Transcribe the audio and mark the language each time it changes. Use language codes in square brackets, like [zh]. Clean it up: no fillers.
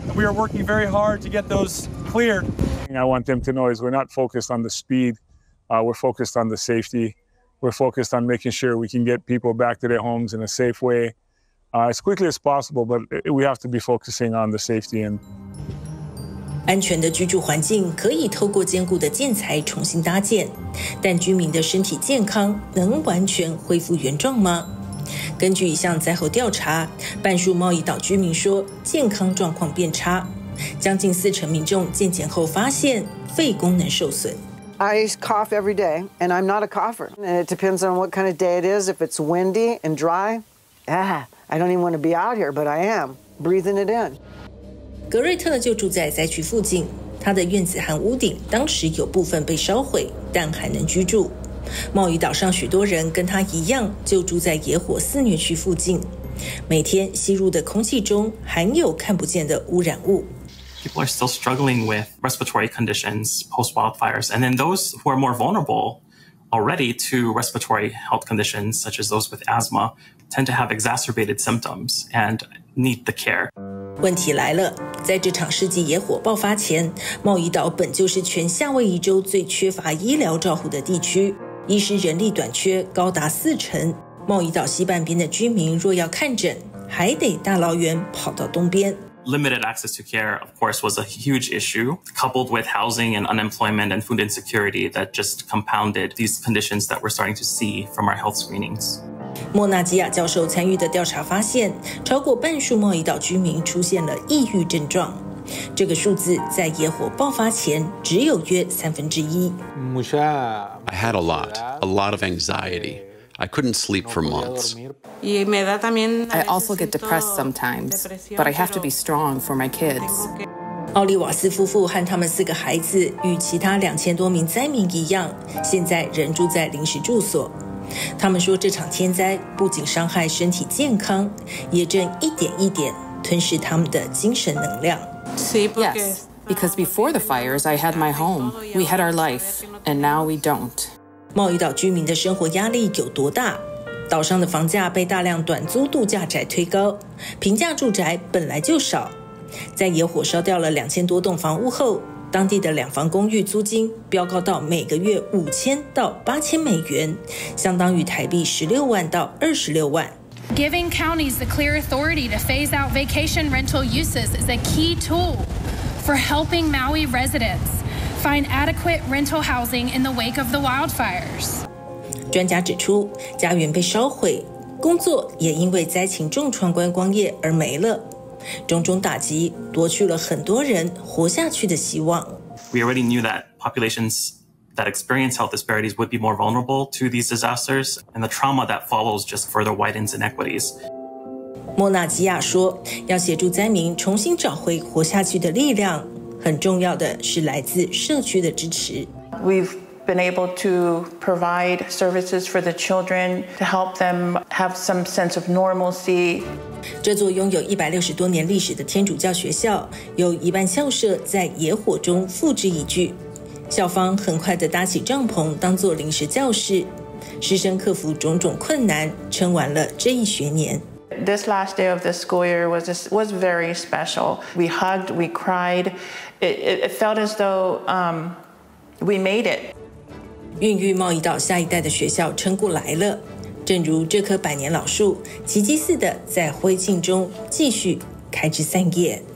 [en] We are working very hard to get those cleared. Thing I want them to know is we're not focused on the speed. We're focused on the safety. We're focused on making sure we can get people back to their homes in a safe way. As quickly as possible, but we have to be focusing on the safety and. [zh] 安全的居住环境可以透过坚固的建材重新搭建，但居民的身体健康能完全恢复原状吗？根据一项灾后调查，半数茂宜岛居民说健康状况变差，将近四成民众健检后发现肺功能受损。 [en] I cough every day, and I'm not a cougher. It depends on what kind of day it is. If it's windy and dry, ah. I don't even want to be out here, but I am breathing it in. [zh] 格瑞特就住在灾区附近，他的院子和屋顶当时有部分被烧毁，但还能居住。茂宜岛上许多人跟他一样，就住在野火肆虐区附近。每天吸入的空气中含有看不见的污染物。 [en] People are still struggling with respiratory conditions post wildfires, and then those who are more vulnerable already to respiratory health conditions, such as those with asthma. Tend to have exacerbated symptoms and need the care. [zh] 问题来了，在这场世纪野火爆发前，茂宜岛本就是全夏威夷州最缺乏医疗照护的地区，医师人力短缺高达四成。茂宜岛西半边的居民若要看诊，还得大老远跑到东边。 [en] Limited access to care, of course, was a huge issue, coupled with housing and unemployment and food insecurity that just compounded these conditions that we're starting to see from our health screenings. [zh] 莫纳基亚教授参与的调查发现，超过半数茂宜岛居民出现了抑郁症状，这个数字在野火爆发前只有约三分之一。 [en] I had a lot of anxiety. I couldn't sleep for months. I also get depressed sometimes, but I have to be strong for my kids. [zh] 奥利瓦斯夫妇和他们四个孩子与其他2000多名灾民一样，现在仍住在临时住所。他们说，这场天灾不仅伤害身体健康，也正一点一点吞噬他们的精神能量。 [en] Yes, because before the fires, I had my home, we had our life, and now we don't. [zh] 茂宜岛居民的生活压力有多大？岛上的房价被大量短租度假宅推高，平价住宅本来就少。在野火烧掉了2000多栋房屋后，当地的两房公寓租金飙高到每个月5000到8000美元，相当于台币16万到26万。 [en] Giving counties the clear authority to phase out vacation rental uses is a key tool for helping Maui residents find adequate rental housing in the wake of the wildfires. [zh] 专家指出，家园被烧毁，工作也因为灾情重创观光业而没了。种种打击夺去了很多人活下去的希望。 [en] We already knew that populations that experience health disparities would be more vulnerable to these disasters, and the trauma that follows just further widens inequities. [zh] 莫纳吉亚说，要协助灾民重新找回活下去的力量，很重要的是来自社区的支持。 [en] We've been able to provide services for the children to help them have some sense of normalcy. [zh] 这座拥有160多年历史的天主教学校，有一半校舍在野火中付之一炬。校方很快地搭起帐篷，当作临时教室。师生克服种种困难，撑完了这一学年。 [en] This last day of the school year was very special. We hugged, we cried. It felt as though we made it. [zh] 孕育贸易岛下一代的学校撑过来了。正如这棵百年老树，奇迹似的在灰烬中继续开枝散叶。